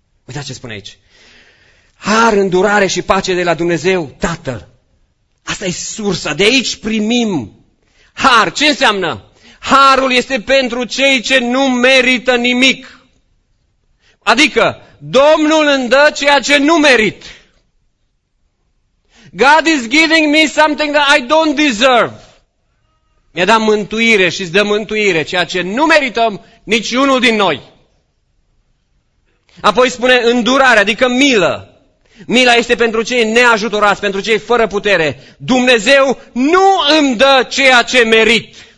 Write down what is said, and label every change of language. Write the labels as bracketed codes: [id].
[ro] Uitați ce spune aici. Har, îndurare și pace de la Dumnezeu Tatăl. A Asta e sursa, de aici primim har. Ce înseamnă? Harul este pentru cei ce nu merită nimic. Adică, Domnul îmi dă ceea ce nu merit. [en] God is giving me something that I don't deserve. [ro] Mi-a dat mântuire și îți dă mântuire, ceea ce nu merităm niciunul din noi. Apoi spune îndurare, adică milă. Mila este pentru cei neajutorați, pentru cei fără putere. Dumnezeu nu îmi dă ceea ce merit.